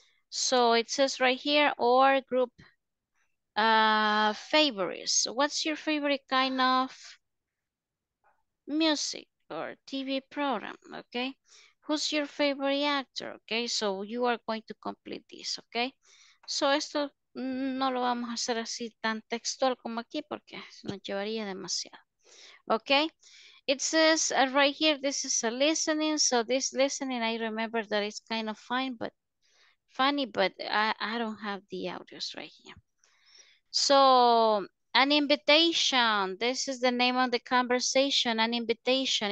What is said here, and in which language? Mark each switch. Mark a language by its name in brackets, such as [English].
[English] So it says right here, or group favorites. What's your favorite kind of music or TV program, okay? Who's your favorite actor, okay? So you are going to complete this, okay? [Spanish] So esto no lo vamos a hacer así tan textual como aquí porque nos llevaría demasiado, okay? [English] It says right here, this is a listening. So this listening, I remember that it's kind of funny, but I don't have the audios right here. So an invitation, this is the name of the conversation, an invitation.